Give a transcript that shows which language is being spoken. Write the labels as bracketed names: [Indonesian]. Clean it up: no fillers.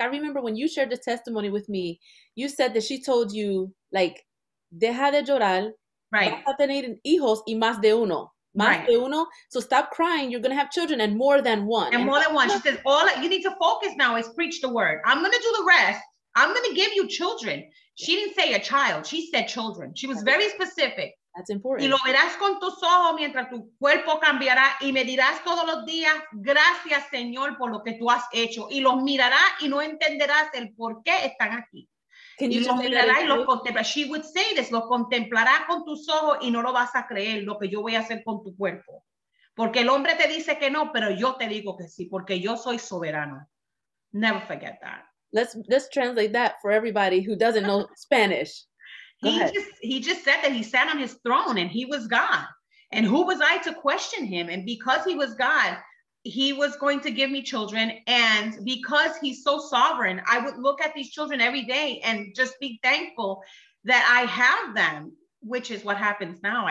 [English] I remember when you shared the testimony with me, you said that she told you, like, [Spanish] deja de llorar. [English] Right. [Spanish] Vas a tener hijos y más de uno. [English] So stop crying. You're going to have children and more than one. And more than one. She says, all you need to focus now is preach the word. I'm going to do the rest. I'm going to give you children. She didn't say a child. She said children. She was very specific. That's important. [Spanish] Y lo verás con tus ojos mientras tu cuerpo cambiará y me dirás todos los días, gracias, Señor, por lo que tú has hecho. Y los mirarás y no entenderás el por qué están aquí. [English] Can you She would say this, [Spanish] lo contemplará con tus ojos y no lo vas a creer lo que yo voy a hacer con tu cuerpo. Porque el hombre te dice que no, pero yo te digo que sí, porque yo soy soberano. [English] Never forget that. Let's translate that for everybody who doesn't know Spanish. He just said that he sat on his throne and he was God. And who was I to question him? And because he was God, he was going to give me children. And because he's so sovereign, I would look at these children every day and just be thankful that I have them, which is what happens now.